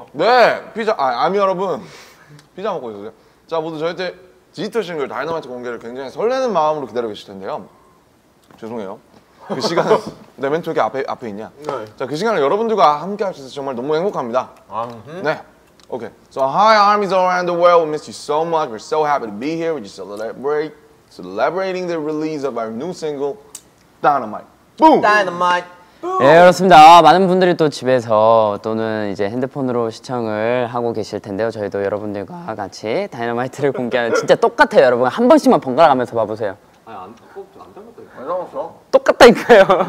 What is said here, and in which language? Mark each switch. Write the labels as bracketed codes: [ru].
[ko] 네, 피자, 아미 여러분, 피자 먹고 있으세요? 자, 모두 저희 때 디지털 싱글 다이너마이트 공개를 굉장히 설레는 마음으로 기다리고 계실 텐데요. 죄송해요. 그 시간은 내 멘트 왜 이렇게 앞에 있냐? 네. 자, 그 시간을 여러분들과 함께 할 수 있어서 정말 너무 행복합니다. 네. 오케이. [en] So hi armies around the world, we miss you so much. We're so happy to be here. We're just celebrating the release of our new single, Dynamite. Boom! Dynamite. [ko] 네, 그렇습니다. 많은 분들이 또 집에서 또는 이제 핸드폰으로 시청을 하고 계실 텐데요. 저희도 여러분들과 같이 다이너마이트를 공개하는 진짜 똑같아요. 여러분 한 번씩만 번갈아 가면서 봐보세요. 안 닮았어. 똑같다니까요.